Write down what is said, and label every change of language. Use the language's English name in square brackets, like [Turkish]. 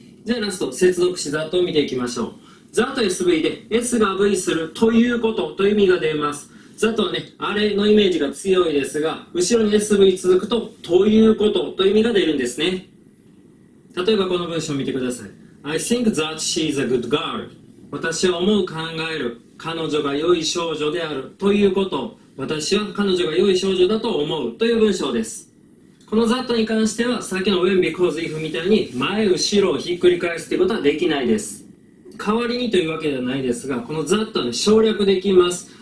[Japanese] じゃあラスト、接続詞 that を見ていきましょう。that SV で S が V するということという意味が出ます。 that はね、あれのイメージが強いですが、後ろに SV 続くとということという意味が出るんですね。例えばこの文章を見てください。 [English] I think that she is a good girl。 [Japanese] 私は思う、考える、彼女が良い少女であるということ、私は彼女が良い少女だと思うという文章です。この that に関してはさっきの when because if みたいに前後ろをひっくり返すということはできないです。代わりにというわけではないですが、この that は、ね、省略できます。